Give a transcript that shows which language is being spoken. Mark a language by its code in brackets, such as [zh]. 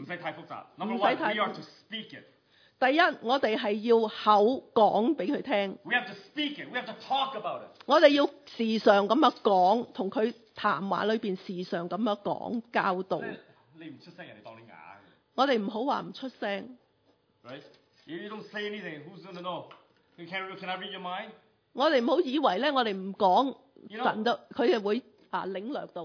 [yue] 唔使太复杂。 [en] Number one, we are to speak it. [yue] 第一，我哋系要口讲俾佢听。 [en] We have to speak it. We have to talk about it. [yue] 我哋要时常咁样讲，同佢谈话里边时常咁样讲教导。你唔出声，人哋当你哑。我哋唔好话唔出声。 [en] Right? If you don't say anything, who's gonna know? Can I read your mind? [yue] 我哋唔好以为咧，我哋唔讲，神就佢哋会领略到。